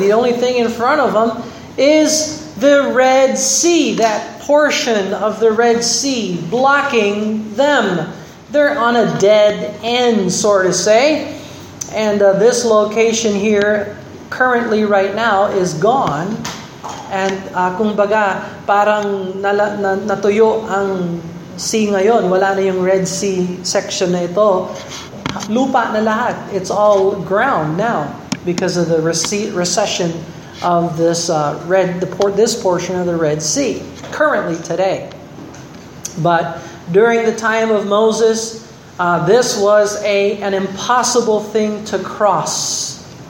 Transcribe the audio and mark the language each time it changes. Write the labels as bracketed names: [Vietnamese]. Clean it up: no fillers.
[English] The only thing in front of them is the Red Sea, that portion of the Red Sea blocking them. They're on a dead end, so to say. And this location here currently right now is gone. [Filipino] And kumbaga, parang natuyo ang sea ngayon. Wala na yung Red Sea section na ito. Lupa na lahat. [English] It's all ground now because of the recession of this this portion of the Red Sea currently today. But during the time of Moses, this was an impossible thing to cross.